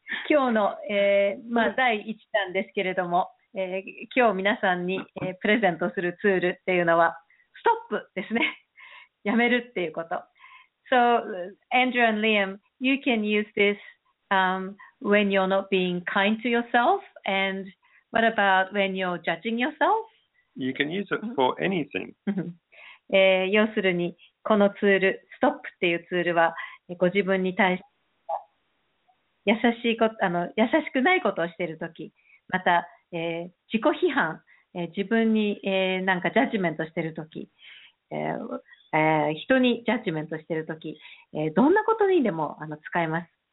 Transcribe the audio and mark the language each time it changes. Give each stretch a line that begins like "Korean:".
Japanese: 今日の、第1弾ですけれども、今日皆さんに、プレゼントするツールっていうのはストップですね。やめるっていうこと。
English: So Andrew and Liam, you can use this when you're not being kind to yourself. And what about when you're judging yourself? You can use it for anything.
Japanese: 要するにこのツール、ストップっていうツールはご自分に対して優しくないことをしているとき、また、自己批判、自分に、なんかジャッジメントしているとき、人にジャッジメントしているとき、どんなことにでも使えます。